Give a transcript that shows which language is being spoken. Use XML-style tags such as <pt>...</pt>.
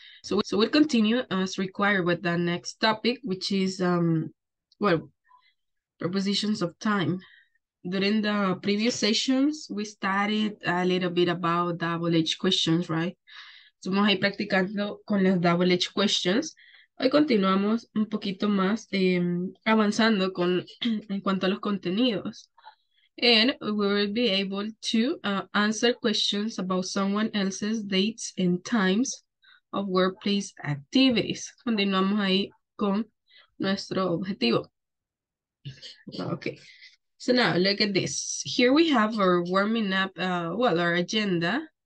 <en>So we'll continue as required with the next topic, which is, prepositions of time. During the previous sessions, we studied a little bit about double edged questions, right?</en> <es>Estamos ahí practicando con las double edged questions. Hoy continuamos un poquito más avanzando con en cuanto a los contenidos.</es> <en>And we will be able to answer questions about someone else's dates and times of workplace activities.</en> <es>Continuamos ahí con nuestro objetivo. Okay.</es> <en>So now look at this. Here we have our warming up, our agenda.</en>